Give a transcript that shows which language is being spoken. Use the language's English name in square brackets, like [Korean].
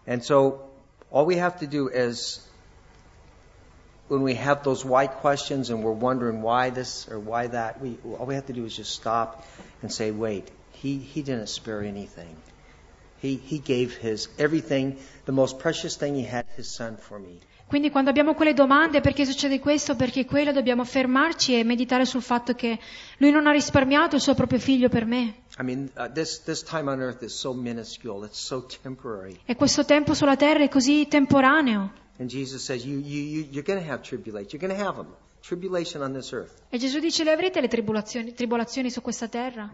[English] And so all we have to do is when we have those why questions and we're wondering why this or why that, all we have to do is just stop and say, wait, he didn't spare anything. He gave his everything, the most precious thing he had, his son for me. [Italian] Quindi quando abbiamo quelle domande, perché succede questo, perché quello, dobbiamo fermarci e meditare sul fatto che lui non ha risparmiato il suo proprio figlio per me. [English] I mean, this time on earth is so minuscule, it's so temporary. [Italian] E questo tempo sulla terra è così temporaneo. [English] And Jesus says, you're going to have tribulation. You're going to have them. Tribulation on this earth. [Italian] E Gesù dice, le avrete le tribolazioni su questa terra.